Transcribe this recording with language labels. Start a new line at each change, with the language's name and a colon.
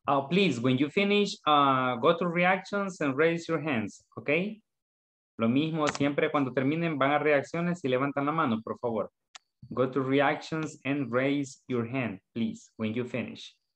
English: Please, when you finish, go to reactions and raise your hands, okay?
Spanish: Lo mismo, siempre cuando terminen, van a reacciones y levantan la mano, por favor.
English: Go to reactions and raise your hand, please, when you finish.